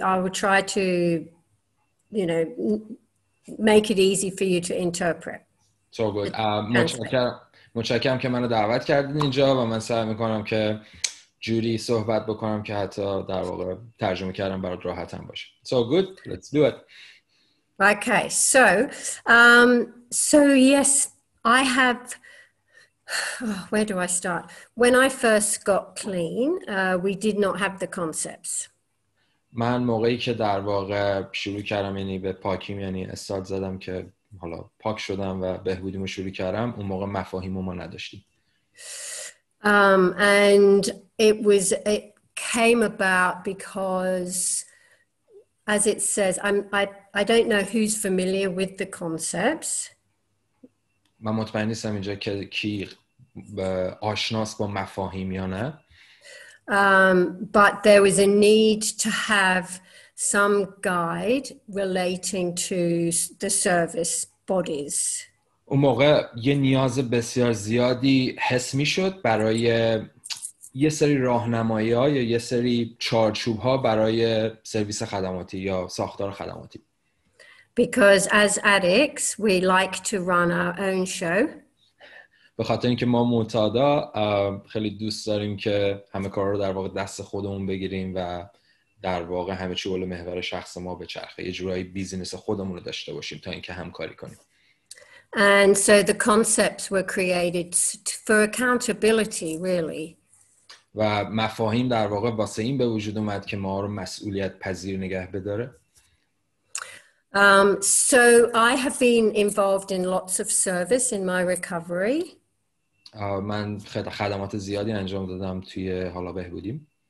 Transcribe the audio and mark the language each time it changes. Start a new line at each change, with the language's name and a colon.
English: I will try to. You know. Make it easy for you to interpret. So good.
Persian: متشکرم که منو دعوت کردین اینجا و من سعی میکنم که جوری صحبت بکنم که حتی در واقع ترجمه کردم برات راحتم باشه.
English: So good. Let's do it. Okay. So yes, I have where do I start? When I first got clean, we did not have the concepts.
Persian: من موقعی که در واقع شروع کردم یعنی به پاکیم یعنی استارت زدم که حالا پاک شدم و بهبودیمو شروع کردم اون موقع مفاهیمو ما نداشتیم.
English: And it came about because as it says I don't know who's familiar with the concepts.
Persian: من مطمئن نیستم اینجا که کی آشناست با مفاهیم یا نه.
English: But there was a need to have some guide relating to the service bodies.
Persian: اون موقع یه نیاز بسیار زیادی حس میشد برای یه سری راهنمایی‌ها یا یه سری چارچوب‌ها برای سرویس خدماتی یا ساختار خدماتی.
English: Because as addicts, we like to run our own show.
Persian: به خاطر اینکه ما معتادا خیلی دوست داریم که همه کار رو در واقع دست خودمون بگیریم و در واقع همه چی حول محور شخص ما بچرخه، یه جورایی بیزینس خودمون رو داشته باشیم تا اینکه همکاری کنیم.
English: And so the concepts were created for accountability really.
Persian: و مفاهیم در واقع واسه این به وجود اومد که ما رو مسئولیت پذیر نگه بداره.
English: So I have been involved in lots of service in my recovery.
Persian: من خدمات زیادی انجام دادم توی حالا بهبودیم.